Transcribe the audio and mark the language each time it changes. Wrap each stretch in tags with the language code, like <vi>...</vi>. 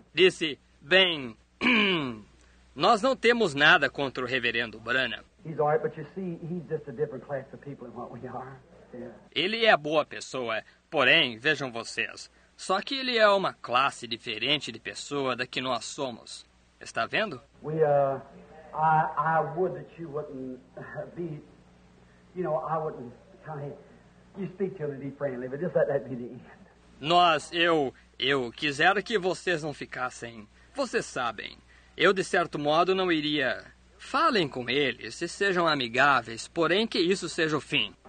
<pt>Disse, bem, nós não temos nada contra o Reverendo Branham.</pt> <en>He's all right, but you see, he's just a different class of people than what we are. Yeah.</en> <pt>Ele é boa pessoa, porém, vejam vocês, só que ele é uma classe diferente de pessoa da que nós somos. Está vendo?</pt> <en>I would that you wouldn't be, you know, I wouldn't kind of... You speak to him and be friendly, but just let that be the end.</en> <pt>Nós, eu quisera que vocês não ficassem. Vocês sabem. Eu, de certo modo, não iria. Falem com eles e sejam amigáveis, porém que isso seja o fim.</pt>